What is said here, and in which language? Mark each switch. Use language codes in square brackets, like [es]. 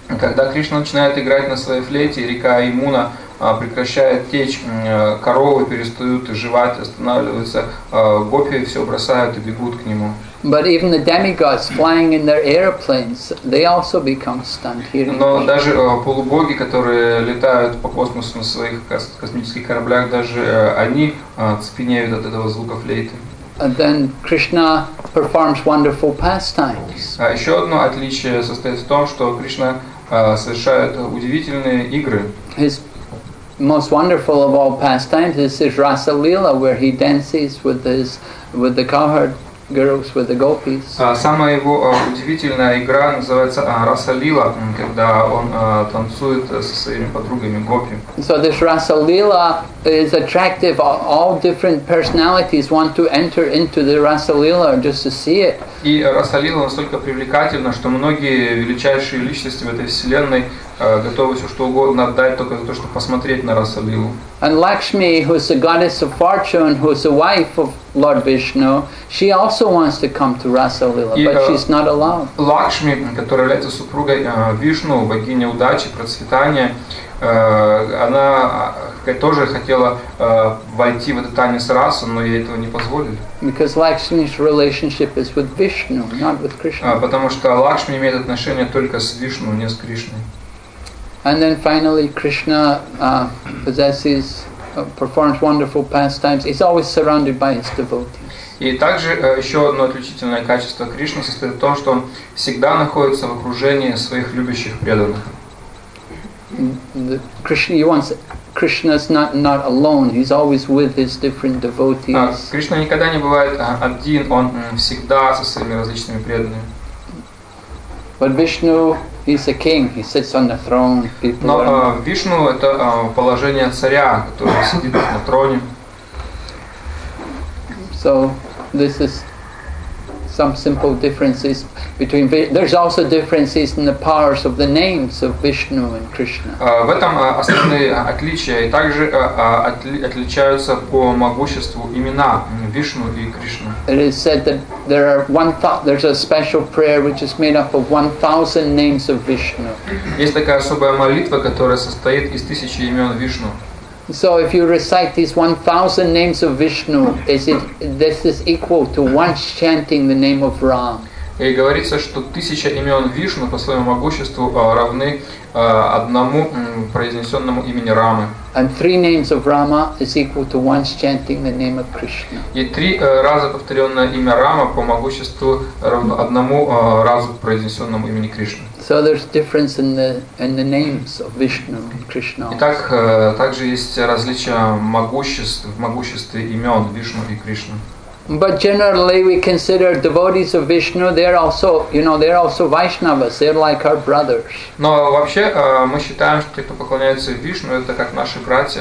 [ru] Когда Кришна начинает играть на своей флейте, река Ямуна прекращает течь, коровы перестают жевать, останавливаются, гопи все бросают и бегут к нему. [en] But even the demigods flying in their airplanes, they also become stunned here. [ru] Но даже полубоги, которые летают по космосу на своих космических кораблях, даже они цепенеют от этого звука флейты. [en] And then Krishna performs wonderful pastimes. [ru] Еще одно отличие состоит в том, что Кришна совершает удивительные игры. [en] His most wonderful of all pastimes is his Rasa Lila, where he dances with the cowherd girls, with the gopis. [ru] Самая его удивительная игра называется Rasa Lila, когда он танцует со своими подругами гопи. [en] So this Rasa Lila is attractive. All different personalities want to enter into the Rasa Lila just to see it. [ru] И Rasa Lila настолько привлекательна, что многие величайшие личности в этой вселенной готовы все что угодно отдать только за то, чтобы посмотреть на Rasa Lila. [en] And Lakshmi, who is the goddess of fortune, who is the wife of Lord Vishnu, she also wants to come to Rasa Lila, but she's not allowed. [ru] Лакшми, которая является супругой Вишну, богиня удачи, процветания, она тоже хотела войти в этот танец расы, но ей этого не позволили. [en] Because Lakshmi's relationship is with Vishnu, not with Krishna. [ru] Потому что Лакшми имеет отношение только с Вишну, не с Кришной. [en] And then finally, Krishna possesses, performs wonderful pastimes. He's always surrounded by his devotees. [ru] И также еще одно отличительное качество Кришны состоит в том, что он всегда находится в окружении своих любящих преданных. [en] Krishna's not alone. He's always with his different devotees. [ru] Кришна никогда не бывает один. Он всегда со своими различными преданными. [en] But Vishnu, he's a king. He sits on the throne. [ru] Но Вишну это положение царя, который сидит на троне. [en] So this is some simple differences between. There's also differences in the powers of the names of Vishnu and Krishna. [ru] В этом основные отличия, и также отличаются по могуществу имена Вишну и Кришны. [en] It is said that there's a special prayer which is made up of 1,000 names of Vishnu. [ru] Есть такая особая молитва, которая состоит из тысячи имен Вишну. [en] So if you recite these 1,000 names of Vishnu, this is equal to one chanting the name of Ram. [ru] И говорится, что тысяча имен Вишну по своему могуществу равны одному произнесенному имени Рамы. [en] And three names of Rama is equal to one chanting the name of Krishna. [ru] И три раза повторенное имя Рама по могуществу равно одному разу произнесенному имени Кришны. [en] So there's difference in the names of Vishnu and Krishna. [ru] Итак, также есть различия в могуществе имен Вишну и Кришны. [en] But generally, we consider devotees of Vishnu. They're also Vaishnavas. They're like our brothers. [ru] Но вообще мы считаем, что те, кто поклоняется Вишну, это как наши братья.